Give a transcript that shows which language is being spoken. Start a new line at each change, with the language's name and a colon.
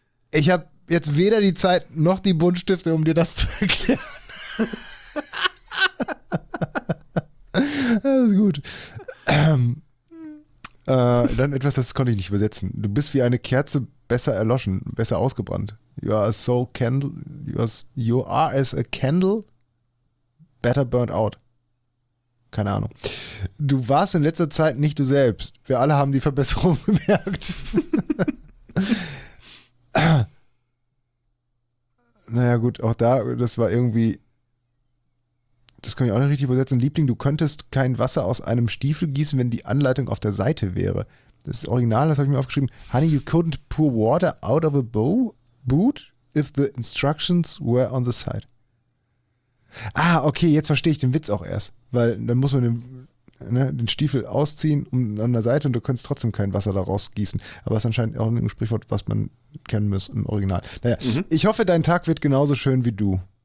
German: Ich habe jetzt weder die Zeit noch die Buntstifte, um dir das zu erklären. Das ist gut. Dann etwas, das konnte ich nicht übersetzen. Du bist wie eine Kerze besser erloschen, besser ausgebrannt.
English: You are as a candle, better burnt out.
German: Keine Ahnung. Du warst in letzter Zeit nicht du selbst. Wir alle haben die Verbesserung bemerkt. Naja gut, auch da, das war irgendwie, das kann ich auch nicht richtig übersetzen. Liebling, du könntest kein Wasser aus einem Stiefel gießen, wenn die Anleitung auf der Seite wäre. Das ist original, das habe ich mir aufgeschrieben.
English: Honey, you couldn't pour water out of a boot if the instructions were on the side.
German: Ah, okay, jetzt verstehe ich den Witz auch erst. Weil dann muss man den Stiefel ausziehen an der Seite und du könntest trotzdem kein Wasser daraus gießen. Aber es ist anscheinend auch ein Sprichwort, was man kennen muss im Original. Naja, Ich hoffe, dein Tag wird genauso schön wie du.